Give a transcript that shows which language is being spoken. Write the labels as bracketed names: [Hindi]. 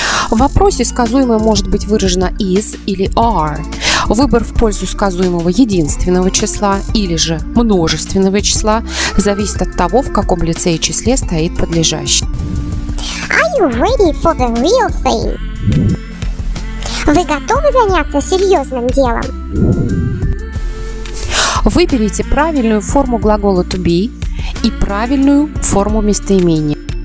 [Russian] В вопросе сказуемое может быть выражено is или are. Выбор в пользу сказуемого единственного числа или же множественного числа зависит от того, в каком лице и числе стоит подлежащий. [English] Are you ready for the real thing? [Russian] Вы готовы заняться серьезным делом? Выберите правильную форму глагола to be и правильную форму местоимения.